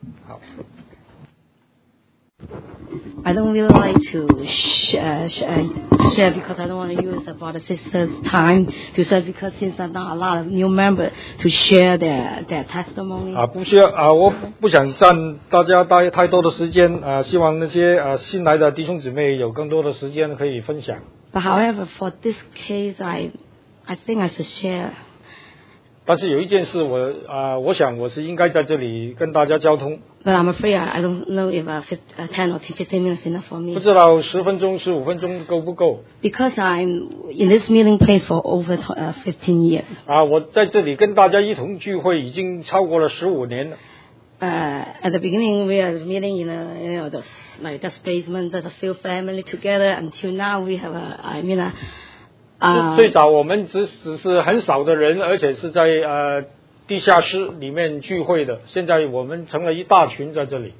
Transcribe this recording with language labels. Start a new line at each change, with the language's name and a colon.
Chinese: 好。
English: I don't really like to share because I don't want to use the brother sister's time to share because since there are not a lot of new members to share their testimony.
Chinese: 不需要我不想占大家太多的时间希望那些新来的弟兄姊妹有更多的时间可以分享。
English: But however, for this case, I think I should share.
Chinese: 但是有一件事我想我是应该在这里跟大家交通。
English: But I'm afraid I don't know if 10 or 15 minutes is enough for me.
Chinese: 不知道10分钟、15分钟够不够。
English: Because I'm in this meeting place for over 15 years.
Chinese: 我在这里跟大家一同聚会已经超过了15年了。
English: At the beginning, we are meeting in the basement, there's a few family together. Until now, we have
Chinese: 最早我们只是很少的人，而且是在地下室里面聚会的，现在我们成了一大群在这里。